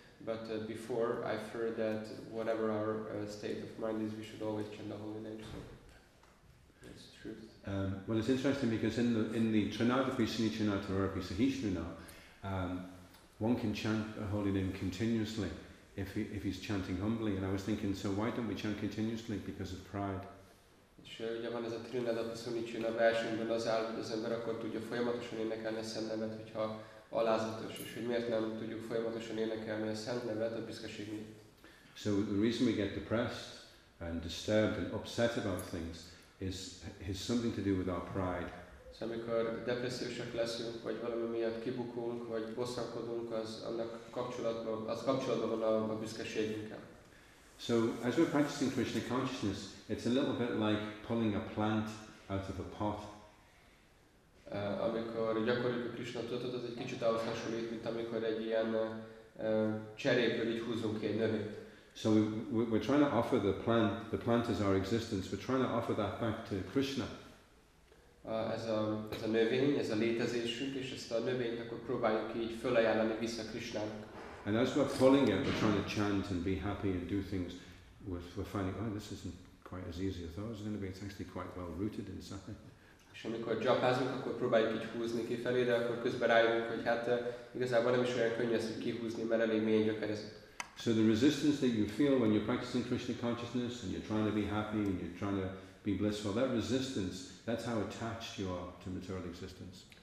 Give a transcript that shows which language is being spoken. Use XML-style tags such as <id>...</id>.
<en>But before, I've heard that whatever our state of mind is, we should always chant the holy name. So that's the truth. Well, it's interesting because in the Trinadapi Sini Trinadapi Sahishruna, one can chant the holy name continuously if he's chanting humbly. And I was thinking, so why don't we chant continuously? Because of pride.</en> <hu>És ugye van ez a Trinadapi Sini Csina versenyben az áll, hogy az ember akkor tudja folyamatosan énekelni a Szent Nevet, hogyha alázatos, és hogy miért nem tudjuk folyamatosan énekelni a Szent Nevet, a büszkeség miatt.</hu> <en>So the reason we get depressed and disturbed and upset about things is something to do with our pride.</en> <hu>So amikor depressziósak leszünk, vagy valami miatt kibukunk, vagy bosszankodunk, az annak kapcsolatban, az kapcsolatban van a büszkeségünkkel.</hu> <en>So as we're practicing Krishna consciousness, it's a little bit like pulling a plant out of a pot.</en> <hu>Amikor gyakoroljuk a Krishna tudatot, az egy kicsit ahhoz hasonlít, mint amikor egy ilyen cseréből így húzunk ki egy növényt.</hu> <en>So we're trying to offer the plant is our existence, we're trying to offer that back to Krishna.</en> <hu>Ez a növény, ez a létezésünk, és ezt a növényt akkor próbáljuk így fölajánlani vissza Krishnának.</hu> <en>And as we're pulling it, we're trying to chant and be happy and do things, we're finding, oh, this isn't quite as easy as I thought it was going to be. It's actually quite well rooted inside.</en> <hu>És amikor japázunk, akkor próbáljuk így húzni kifelé, de akkor közben rájövünk, hogy hát igazából nem is olyan könnyű ezt kihúzni, mert elég mélyen gyökerezünk.</hu> <en>So the resistance that you feel when you're practicing Krishna consciousness and you're trying to be happy and you're trying to be blissful, that resistance, that's how attached you are to material existence.</en>